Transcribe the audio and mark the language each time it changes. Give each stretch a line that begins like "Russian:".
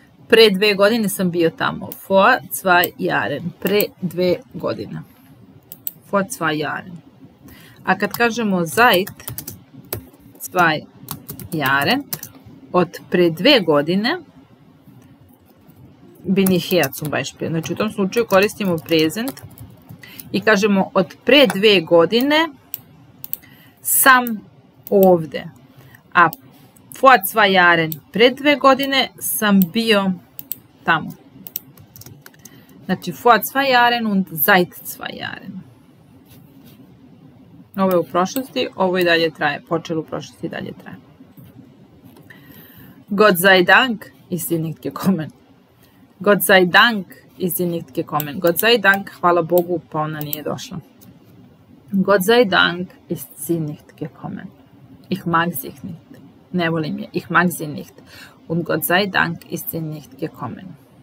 Serbian: Pre dve godine sam bio tamo.
German: Vor zwei Jahren.
Serbian: Pre dve godine.
German: Vor zwei Jahren.
Serbian: A kad kažemo
German: seit zwei Jahren,
Serbian: od pre dve godine,
German: bin ich hier zum Beispiel.
Serbian: Znači u tom slučaju koristimo present i kažemo od pre dve godine sam ovde. A
German: vor zwei Jahren,
Serbian: pre dve godine, sam bio tamo.
German: Znači vor zwei Jahren und seit zwei Jahren.
Serbian: Ovo je u prošlosti, ovo i dalje traje. Počelo u prošlosti i dalje traje.
German: Gott sei Dank ist sie nicht gekommen. Gott sei Dank ist sie nicht gekommen. Gott sei Dank,
Serbian: hvala Bogu, pa ona nije došla.
German: Gott sei Dank ist sie nicht gekommen. Ich mag sie nicht.
Serbian: Ne volim je.
German: Ich mag sie nicht. Und Gott sei Dank ist sie nicht gekommen.